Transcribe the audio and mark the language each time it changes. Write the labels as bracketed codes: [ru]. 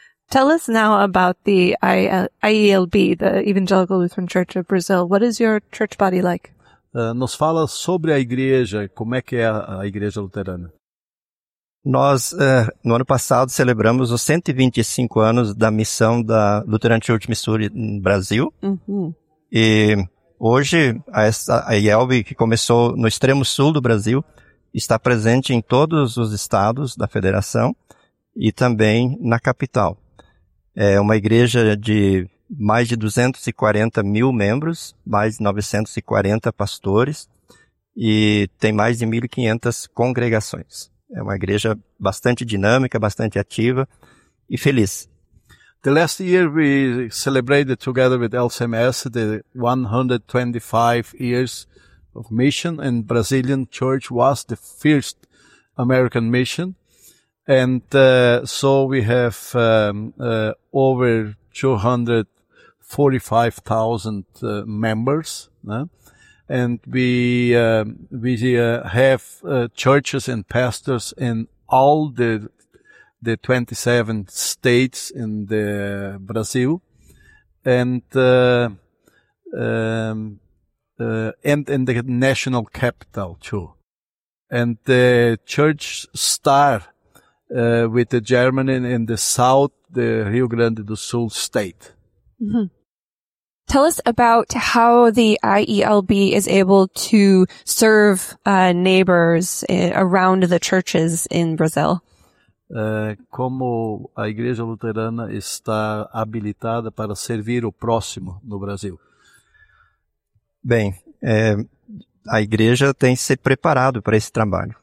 [en] Tell us now about the IELB, the Evangelical Lutheran Church of Brazil. What is your church body like? [pt] Nos fala sobre a igreja, como é que é a igreja luterana. Nós, no ano passado, celebramos os 125 anos da missão da Lutheran Church Missouri no Brasil. E hoje, a IELB, que começou no extremo sul do Brasil, está presente em todos os estados da federação e também na capital. É uma igreja de mais de 240 mil membros, mais de 940 pastores e tem mais de 1.500 congregações. É uma igreja bastante dinâmica, bastante ativa e feliz. [en] The last year we celebrated together with LCMS the 125 years of mission, and Brazilian Church was the first American mission. And so we have over 245,000 members, né? And we have churches and pastors in all the 27 states in the Brazil, and in the national capital too. And the church start with the Germany in the south, the Rio Grande do Sul state. Tell us about how the IELB is able to serve neighbors around the churches in Brazil. [pt] Como a Igreja Luterana está habilitada para servir o próximo no Brasil? Bem, a Igreja tem se preparado para esse trabalho.